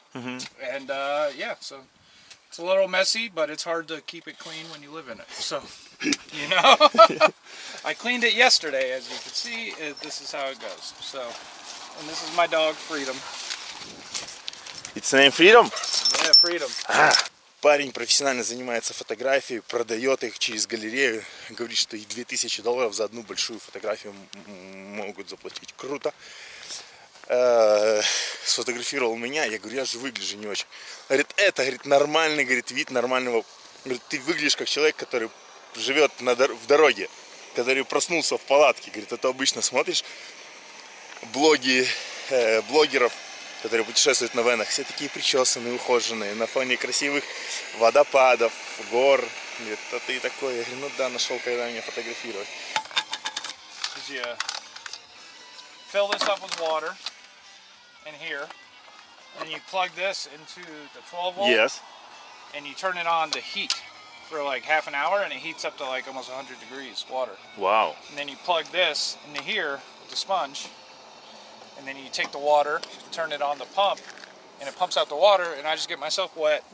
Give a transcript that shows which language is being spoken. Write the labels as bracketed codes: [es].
[en] Mm-hmm. And yeah, so it's a little messy, but it's hard to keep it clean when you live in it. So, you know, I cleaned it yesterday, as you can see, this is how it goes. So, and this is my dog, Freedom. It's named Freedom? Yeah, Freedom. Ah. [ru] Парень профессионально занимается фотографией, продает их через галерею. Говорит, что и $2000 за одну большую фотографию могут заплатить. Круто. Сфотографировал меня, я говорю, я же выгляжу не очень. Говорит, это, говорит, нормальный, говорит, вид нормального. Говорит, ты выглядишь как человек, который живет в дороге, который проснулся в палатке. Говорит, а ты обычно смотришь блоги блогеров, которые путешествуют на венах, все такие причесанные, ухоженные, на фоне красивых водопадов, гор. Говорит, а ты такой, я говорю, ну да, нашел, когда меня фотографировать. [en] Yeah. Fill this up with water in here, and you plug this into the 12 volt. Yes. And you turn it on to heat for like half an hour, and it heats up to like almost 100 degrees water. Wow. And then you plug this into here with the sponge. And then you take the water, turn it on the pump, and it pumps out the water, and I just get myself wet.